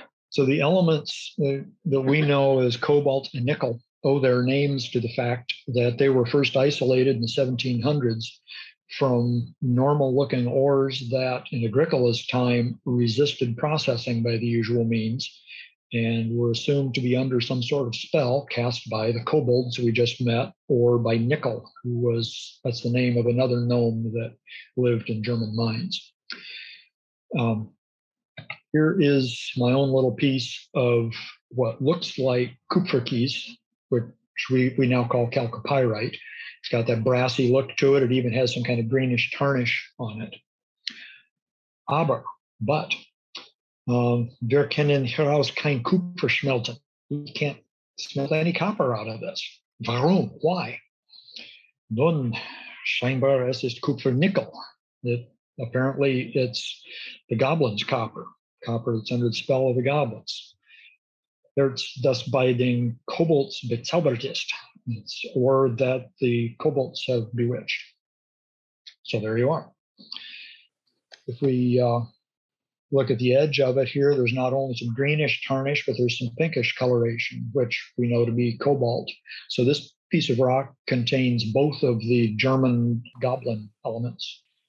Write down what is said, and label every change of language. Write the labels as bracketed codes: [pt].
[en] So the elements that we know as cobalt and nickel owe their names to the fact that they were first isolated in the 1700s from normal-looking ores that in Agricola's time resisted processing by the usual means and were assumed to be under some sort of spell cast by the kobolds we just met or by Nickel, who was, that's the name of another gnome that lived in German mines. Here is my own little piece of what looks like kupferkies, which we now call chalcopyrite. It's got that brassy look to it. It even has some kind of greenish tarnish on it. [de] Aber, [en] but, [de] wir können heraus kein Kupfer schmelzen. [en] We can't smelt any copper out of this. [de] Warum? [en] Why? [de] Nun, scheinbar es ist Kupfernickel. [en] Apparently, it's the goblin's copper. Copper that's under the spell of the goblins. [de] Erz, das bei den kobolds bezaubert ist. [en] It's ore that the kobolds have bewitched. So there you are. If we look at the edge of it here, there's not only some greenish tarnish, but there's some pinkish coloration, which we know to be cobalt. So this piece of rock contains both of the German goblin elements.